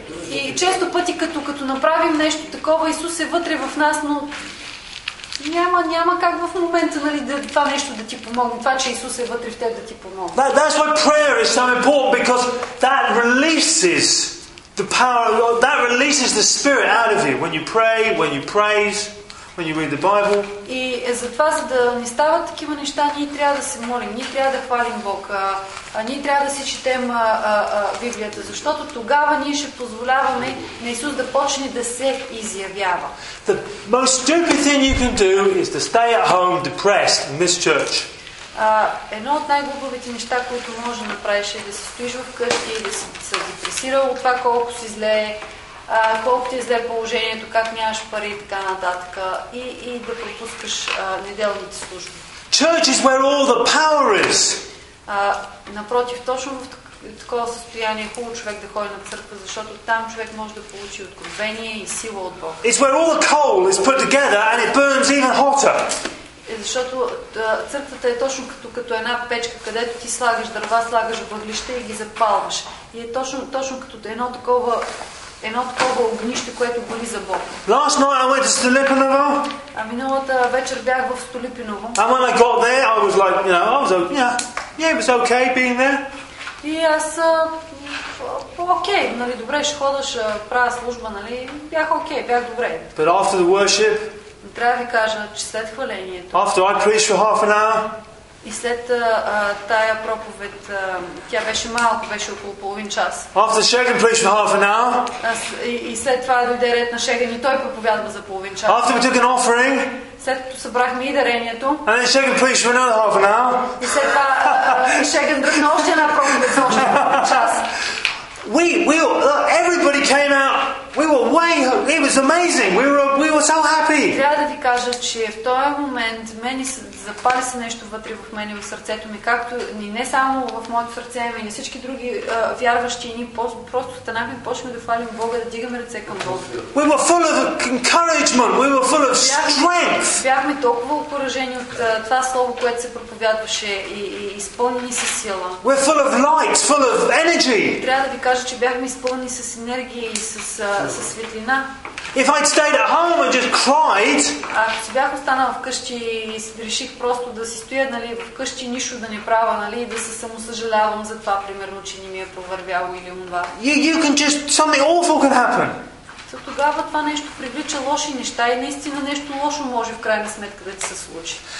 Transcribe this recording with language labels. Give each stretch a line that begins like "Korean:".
Bulgarian: И често пъти като направим нещо такова, Исус е вътре в нас, но няма как в момента, нали, да това нещо да ти помогне, това че Исус е вътре в теб да ти помогне.
English: That's why prayer is so important, because that releases the power, that releases the spirit out of you when you pray, when you praise, when you read the Bible.
Bulgarian: И затова, за да не стават такива неща, ние трябва да се молим, ние трябва да хвалим Бог, ние трябва да си четем Библията, защото тогава ние ще позволяваме на Исус да почне да се изявява.
English: The most stupid thing you can do is to stay at home depressed and miss church.
Bulgarian: Едно от най-глупавите неща, които може да направиш, е да се стоиш в къщи и да се депресира от това колко си зле, колко ти е зле положението, как нямаш пари и така нататък, и да пропускаш неделните служби.
English: Church is where all the power is.
Bulgarian: Напротив, точно в такова състояние е хубаво човек да ходи на църква, защото там човек може да получи откровение и сила от Бог.
English: It's where all the coal is put together and it burns even hotter.
Bulgarian: Защото църквата е точно като една печка, където ти слагаш дърва, слагаш въглища и ги запалваш. И е точно като едно такова огнище, което гори за Бог.
English: Last night I went to Stolypinovo.
Bulgarian: А миналата вечер бях в Столипиново.
English: And when I got there, I was like, you know, I was like, yeah, it was okay being there.
Bulgarian: И аз окей, нали, добре, ще ходиш, правя служба, нали, бях окей, бях добре.
English: But after the worship,
Bulgarian: трябва да ви кажа, че след хвалението,
English: after I preached for half an hour,
Bulgarian: и след тая проповед, тя беше малко, беше около половин час.
English: After Shagan preached for half an hour,
Bulgarian: и след това дойде ред на Шеган и той проповядва за половин час.
English: After we took an offering,
Bulgarian: след като събрахме и дарението,
English: and then Shagan preached for another half an hour,
Bulgarian: и след това Шеган дръпна още една проповед за още половин час.
English: Everybody came out. We were way. It was amazing. We were so happy.
Bulgarian: Трябва да ти кажа, че в този момент мене запали се нещо вътре в мене, в сърцето ми, както и не само в моето сърце, но и на всички други вярващи, и ние просто станахме и почнахме да хвалим Бога, да дигаме ръце към Бога.
English: We were full of encouragement. We were full of strength.
Bulgarian: Бяхме толкова окуражени от това слово, което се проповядваше, и изпълнени със сила.
English: We're full of light, full of energy.
Bulgarian: Трябва да ви кажа, че бяхме изпълнени с енергия и с светлина.
English: If I'd stayed at home and just cried,
Bulgarian: ако си бях останала вкъщи и реших просто да си стоя, нали, вкъщи нищо да не правя, нали, и да се самосъжалявам за това, примерно, че не ми е провървяло или онова.
English: You can just something awful could happen.
Bulgarian: За тогава това нещо привлича лоши неща и наистина нещо лошо може в крайна сметка да ти се случи.